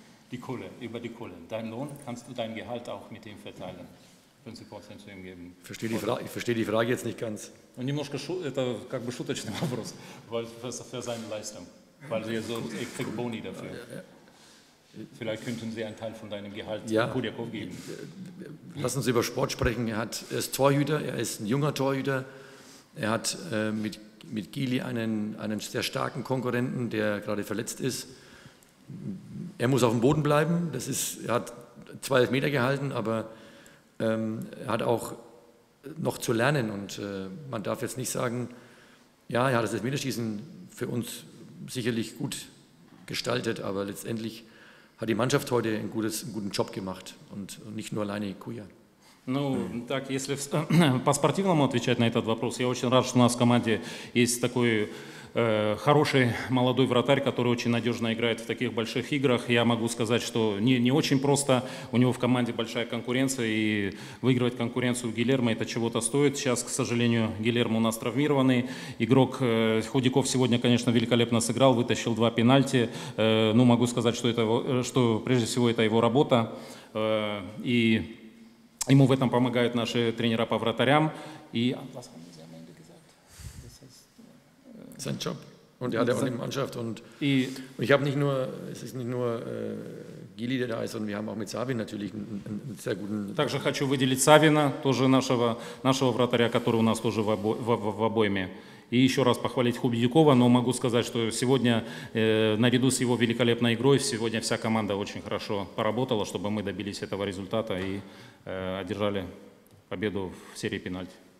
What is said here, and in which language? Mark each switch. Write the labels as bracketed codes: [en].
[de] Die Kohle, über die Kohle. Deinen Lohn kannst du dein Gehalt auch mit ihm verteilen. 50% zu ihm geben. Ich verstehe die Frage jetzt nicht ganz. [ru] Und немножко, это как бы шуточный вопрос. [de] Weil für seine Leistung. Weil sie so, ich krieg Boni dafür. Vielleicht könnten sie einen Teil von deinem Gehalt Kudiakow geben. Lass uns über Sport sprechen. Er ist Torhüter, er ist ein junger Torhüter. Er hat mit Gili einen sehr starken Konkurrenten, der gerade verletzt ist. Er muss auf dem Boden bleiben, er hat 2 Elfmeter gehalten, aber er hat auch noch zu lernen und man darf jetzt nicht sagen, ja, er hat das Elfmeterschießen für uns sicherlich gut gestaltet, aber letztendlich hat die Mannschaft heute einen guten Job gemacht und nicht nur alleine Kuya. [ru] Ну, так, если по-спортивному отвечать на этот вопрос, я очень рад, что у нас в команде есть такой хороший молодой вратарь, который очень надежно играет в таких больших играх. Я могу сказать, что не очень просто. У него в команде большая конкуренция, и выигрывать конкуренцию Гильермо – это чего-то стоит. Сейчас, к сожалению, Гильермо у нас травмированный. Игрок Худяков сегодня, конечно, великолепно сыграл, вытащил 2 пенальти. Ну, могу сказать, что прежде всего это его работа. И ему в этом помогают наши тренера по вратарям. И [de] sein Job und er hat auch die Mannschaft und ich habe nicht nur, es ist nicht nur Gili, der da ist, sondern wir haben auch mit Savin natürlich einen sehr guten. [ru] Также хочу выделить Савина, тоже нашего вратаря, который у нас тоже в обойме. И еще раз похвалить Худякова, но могу сказать, что сегодня наряду с его великолепной игрой сегодня вся команда очень хорошо поработала, чтобы мы добились этого результата и одержали победу в серии пенальти.